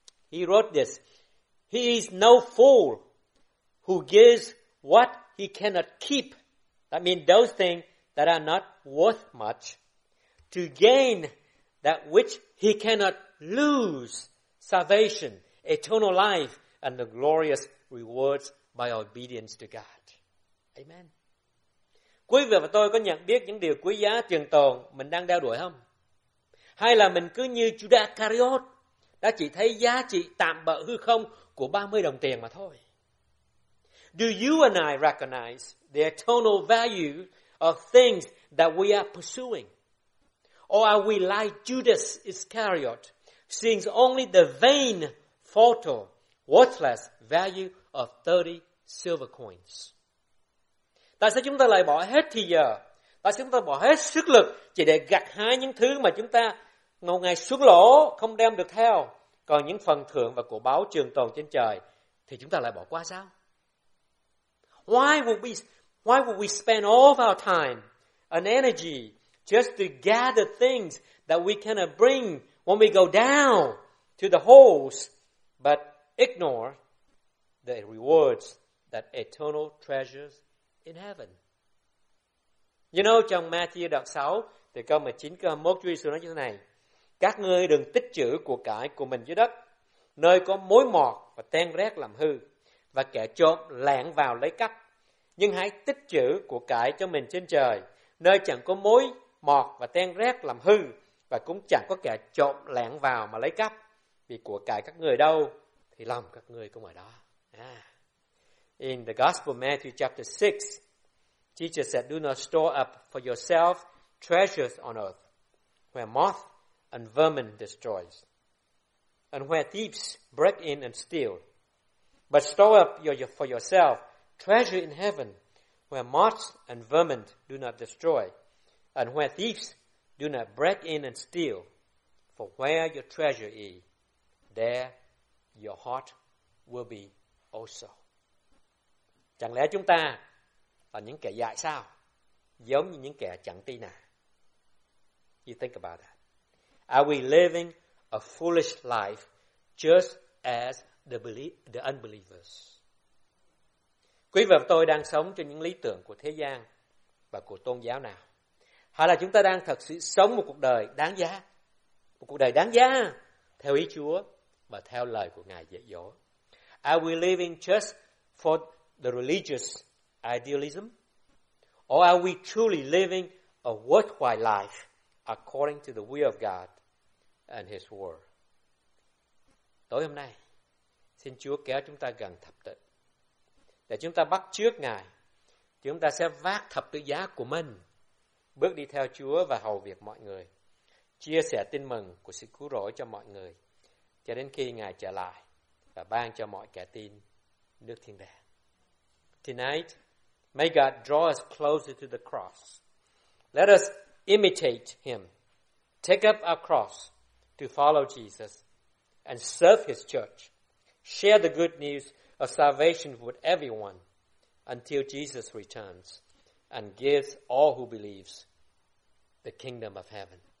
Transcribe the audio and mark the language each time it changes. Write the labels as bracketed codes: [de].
[en] He wrote this: he is no fool who gives what he cannot keep, that means those things that are not worth much, to gain that which he cannot lose, salvation, eternal life, and the glorious rewards by obedience to God. Amen. [vi] Quý vị và tôi có nhận biết những điều quý giá trường tồn mình đang đeo đuổi không? Hay là mình cứ như Judas Iscariot đã chỉ thấy giá trị tạm bợ hư không của 30 đồng tiền mà thôi? [en] Do you and I recognize the eternal value of things that we are pursuing? Or are we like Judas Iscariot, seeing only the vain photo, worthless value of 30 silver coins. [vi] Tại sao chúng ta lại bỏ hết thì giờ? Tại sao chúng ta bỏ hết sức lực chỉ để gặt hái những thứ mà chúng ta ngầu ngày xuống lỗ không đem được theo? Còn những phần thưởng và của báo trường tồn trên trời thì chúng ta lại bỏ qua sao? [en] Why would we spend all of our time and energy just to gather things that we cannot bring when we go down to the holes, but ignore the rewards that eternal treasures in heaven? You know, [vi] trong Matthew đoạn 6, từ câu 19, câu 21, Chúa Giêsu nói như thế này: các ngươi đừng tích trữ của cải của mình dưới đất, nơi có mối mọt và ten rét làm hư, và kẻ trộm lẻn vào lấy cắp. Nhưng hãy tích trữ của cải cho mình trên trời, nơi chẳng có mối mọt và ten rét làm hư, và cũng chẳng có kẻ trộm lẻn vào mà lấy cắp. Vì của cải các người đâu, thì lòng các người cũng ở đó. [en] In the Gospel of Matthew chapter 6, Jesus said, do not store up for yourself treasures on earth, where moth and vermin destroys, and where thieves break in and steal. But store up for yourself treasure in heaven, where moths and vermin do not destroy, and where thieves do not break in and steal. For where your treasure is, there your heart will be also. [vi] Chẳng lẽ chúng ta là những kẻ dại sao, giống như những kẻ chẳng tin à? [en] You think about that. Are we living a foolish life just as the unbelievers? [vi] Quý vị và tôi đang sống trên những lý tưởng của thế gian và của tôn giáo nào? Hay là chúng ta đang thật sự sống một cuộc đời đáng giá? Một cuộc đời đáng giá theo ý Chúa và theo lời của Ngài dạy dỗ. [en] Are we living just for the religious idealism? Or are we truly living a worthwhile life according to the will of God and His word? [vi] Tối hôm nay, xin Chúa kéo chúng ta gần thập tự. Để chúng ta bắt trước Ngài, chúng ta sẽ vác thập tự giá của mình, bước đi theo Chúa và hầu việc mọi người, chia sẻ tin mừng của sự cứu rỗi cho mọi người, cho đến khi Ngài trở lại và ban cho mọi kẻ tin nước thiên đàng. [en] Tonight, may God draw us closer to the cross. Let us imitate Him. Take up our cross to follow Jesus and serve His church. Share the good news of salvation with everyone until Jesus returns and gives all who believes the kingdom of heaven.